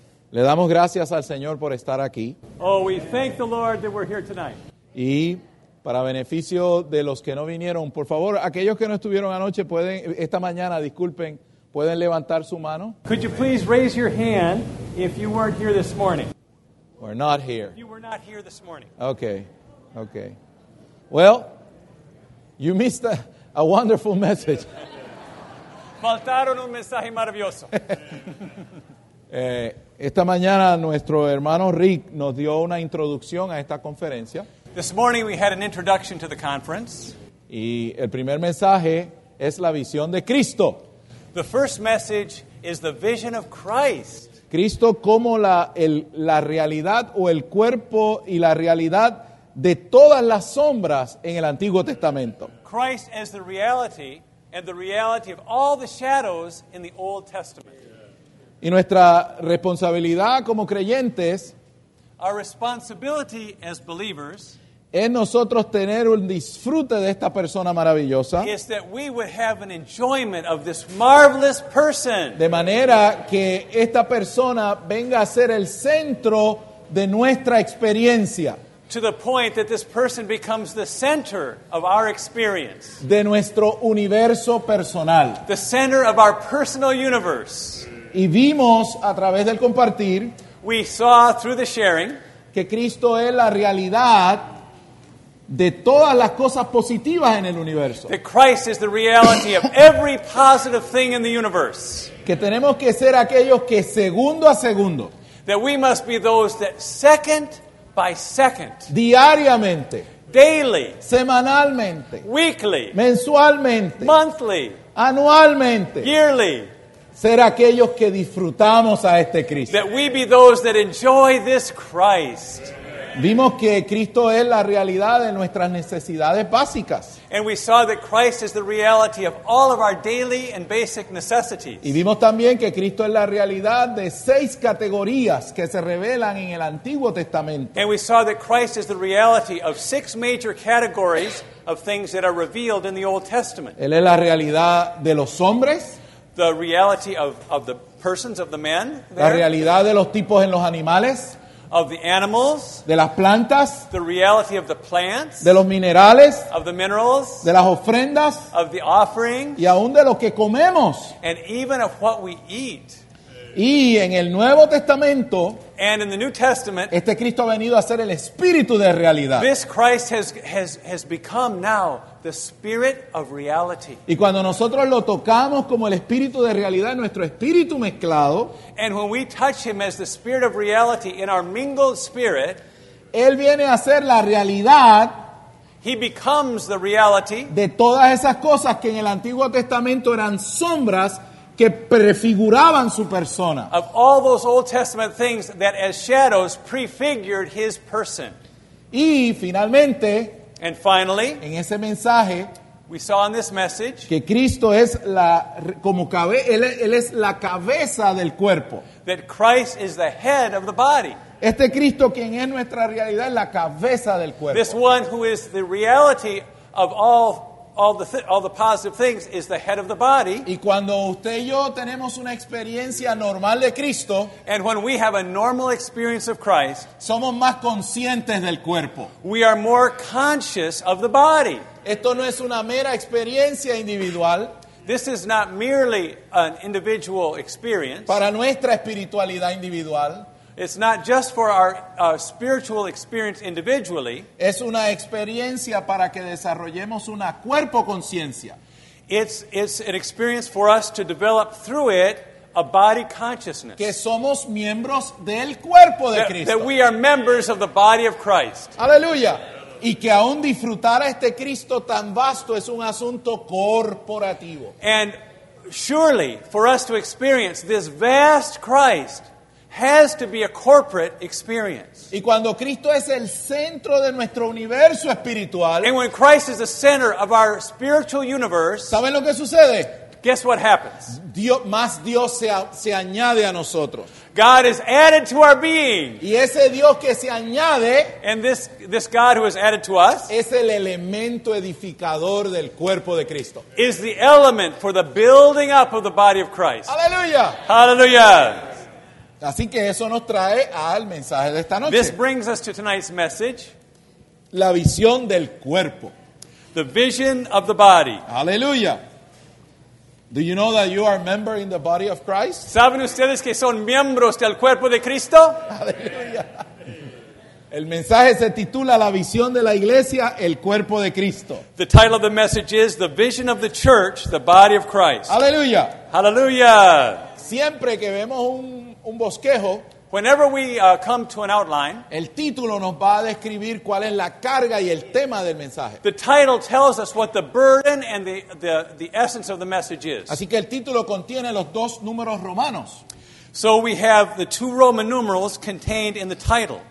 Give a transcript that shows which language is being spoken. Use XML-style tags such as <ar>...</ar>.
<es>Le damos gracias al Señor por estar aquí.</es> <en>Oh, we thank the Lord that we're here tonight.</en> <es>Y para beneficio de los que no vinieron, por favor, aquellos que no estuvieron anoche, pueden esta mañana, disculpen, pueden levantar su mano.</es> <en>Could you please raise your hand if you weren't here this morning? We're not here. You were not here this morning. Okay. Okay. Well, you missed a wonderful message.</en> <es>Faltaron un mensaje maravilloso. Esta mañana nuestro hermano Rick nos dio una introducción a esta conferencia.</es> <en>This morning we had an introduction to the conference.</en> <es>Y el primer mensaje es la visión de Cristo.</es> <en>The first message is the vision of Christ.</en> <es>Cristo como la realidad o el cuerpo y la realidad de todas las sombras en el Antiguo Testamento.</es> <en>Christ as the reality and the reality of all the shadows in the Old Testament.</en> <es>Y nuestra responsabilidad como creyentes,</es> <en>our responsibility as believers,</en> <es>es nosotros tener un disfrute de esta persona maravillosa,</es> <en>is that we would have an enjoyment of this marvelous person,</en> <es>de manera que esta persona venga a ser el centro de nuestra experiencia,</es> <en>to the point that this person becomes the center of our experience,</en> <es>de nuestro universo personal,</es> <en>the center of our personal universe.</en> <es>Y vimos a través del compartir,</es> <en>we saw through the sharing,</en> <es>que Cristo es la realidad de todas las cosas positivas en el universo.</es> <en>That Christ is the reality of every positive thing in the universe.</en> <es>Que tenemos que ser aquellos que segundo a segundo,</es> <en>that we must be those that second by second,</en> <es>diariamente,</es> <en>daily,</en> <es>semanalmente,</es> <en>weekly,</en> <es>mensualmente,</es> <en>monthly,</en> <es>anualmente,</es> <en>yearly,</en> <es>ser aquellos que disfrutamos a este Cristo.</es> <en>That we be those that enjoy this Christ.</en> <es>Vimos que Cristo es la realidad de nuestras necesidades básicas.</es> <en>And we saw that Christ is the reality of all of our daily and basic necessities.</en> <es>Y vimos también que Cristo es la realidad de seis categorías que se revelan en el Antiguo Testamento.</es> <en>And we saw that Christ is the reality of six major categories of things that are revealed in the Old Testament.</en> <es>Él es la realidad de los hombres,</es> <en>the reality of the persons of the men there,</en> <es>la realidad de los tipos en los animales,</es> <en>of the animals,</en> <es>de las plantas,</es> <en>the reality of the plants,</en> <es>de los minerales,</es> <en>of the minerals,</en> <es>de las ofrendas,</es> <en>of the offerings,</en> <es>y aún de lo que comemos,</es> <en>and even of what we eat.</en> <es>Y en el Nuevo Testamento,</es> <en>and in the New Testament,</en> <es>este Cristo ha venido a ser el espíritu de realidad.</es> <en>This Christ has become now the spirit of reality.</en> <es>Y cuando nosotros lo tocamos como el espíritu de realidad, nuestro espíritu mezclado,</es> <en>and when we touch him as the spirit of reality in our mingled spirit,</en> <es>él viene a ser la realidad,</es> <en>he becomes the reality,</en> <es>de todas esas cosas que en el Antiguo Testamento eran sombras que prefiguraban su persona.</es> <en>Of all those Old Testament things that as shadows prefigured his person.</en> <es>Y finalmente,</es> <en>and finally,</en> <es>en ese mensaje,</es> <en>we saw in this message,</en> <es>que Cristo es la como él es la cabeza del cuerpo.</es> <en>That Christ is the head of the body.</en> <es>Este Cristo quien es nuestra realidad es la cabeza del cuerpo.</es> <en>This one who is the reality of all the positive things is the head of the body.</en> <es>Y cuando usted y yo tenemos una experiencia normal de Cristo,</es> <en>and when we have a normal experience of Christ,</en> <es>somos más conscientes del cuerpo.</es> <en>We are more conscious of the body.</en> <es>Esto no es una mera experiencia individual.</es> <en>This is not merely an individual experience.</en> <es>Para nuestra espiritualidad individual.</es> <en>It's not just for our spiritual experience individually.</en> <es>Es una experiencia para que desarrollemos una cuerpo-conciencia.</es> <en>It's an experience for us to develop through it a body consciousness.</en> <es>Que somos miembros del cuerpo de Cristo.</es> <en>That we are members of the body of Christ.</en> <es>Aleluya. Y que aún disfrutar a este Cristo tan vasto es un asunto corporativo.</es> <en>And surely, for us to experience this vast Christ has to be a corporate experience.</en> <es>Y cuando Cristo es el centro de nuestro universo espiritual,</es> <en>and when Christ is the center of our spiritual universe,</en> <es>¿saben lo que sucede?</es> <en>Guess what happens?</en> <es>Dios, más Dios se añade a nosotros.</es> <en>God is added to our being.</en> <es>Y ese Dios que se añade,</es> <en>and this God who is added to us,</en> <es>es el elemento edificador del cuerpo de Cristo.</es> <en>Is the element for the building up of the body of Christ.</en> <es>Aleluya. Aleluya. Así que eso nos trae al mensaje de esta noche.</es> <en>This brings us to tonight's message.</en> <es>La visión del cuerpo.</es> <en>The vision of the body.</en> <es>Aleluya.</es> <en>Do you know that you are a member in the body of Christ?</en> <es>¿Saben ustedes que son miembros del cuerpo de Cristo? Aleluya. El mensaje se titula La visión de la iglesia, el cuerpo de Cristo.</es> <en>The title of the message is The Vision of the Church, the Body of Christ.</en> <es>Aleluya. Aleluya. Siempre que vemos un bosquejo,</es> <en>whenever we come to an outline,</en> <es>el título nos va a describir cuál es la carga y el tema del mensaje.</es> <en>The title tells us what the burden and the essence of the message is.</en> <es>Así que el título contiene los dos números romanos.</es> <en>So we have the two Roman numerals contained in the title.</en>